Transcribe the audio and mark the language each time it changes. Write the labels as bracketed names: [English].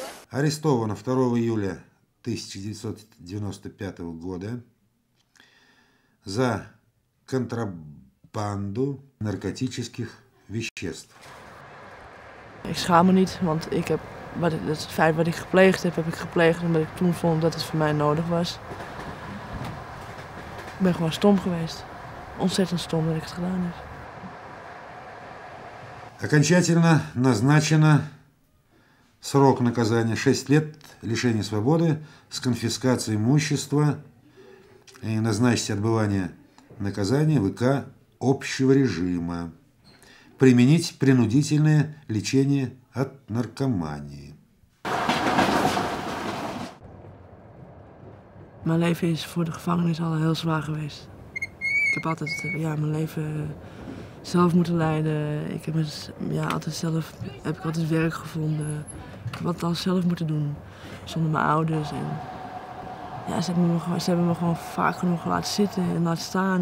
[Russian] Арестована 2 июля 1995 года за контрабанду наркотических веществ. [Dutch] Ik schaam me niet, want ik heb het feit wat ik gepleegd heb, heb ik gepleegd omdat ik toen vond dat het voor mij nodig was. Ik ben gewoon stom geweest. Ontzettend stom dat ik het gedaan heb. [Russian] Окончательно назначена срок наказания 6 лет лишения свободы с конфискацией имущества и назначить отбывание наказания ВК общего режима. Применить принудительное лечение от наркомании. [Dutch] Mijn leven is voor de gevangenis al heel zwaar geweest. Ik heb altijd mijn leven zelf moeten leiden. Ik heb altijd werk gevonden. Ik heb altijd zelf moeten doen, zonder mijn ouders. En ja, ze hebben me gewoon vaak genoeg laten zitten en laten staan.